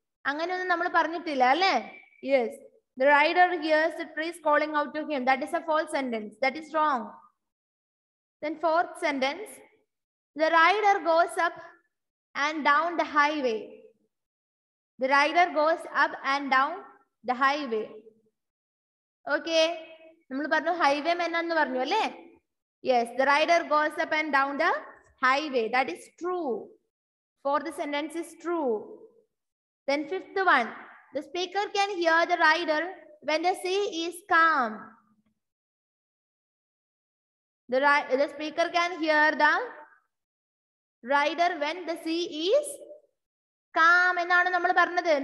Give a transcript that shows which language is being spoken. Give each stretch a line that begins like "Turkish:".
Malayalam: അങ്ങനെയൊന്നും നമ്മൾ പറഞ്ഞിട്ടില്ല അല്ലേ?
English: Yes, the rider hears the trees calling out to him. That is a false sentence. That is wrong. Then fourth sentence, the rider goes up and down the highway. The rider goes up and down the highway.
Malayalam: Okay, നമ്മൾ പറഞ്ഞു highway men എന്ന് പറഞ്ഞു അല്ലേ?
English: Yes, the rider goes up and down the highway. That is true. Fourth sentence is true. Then fifth one, the speaker can hear the rider when the sea is calm. The speaker can hear the rider when the sea is calm.
Malayalam: എന്നാണ് നമ്മൾ പറഞ്ഞത്.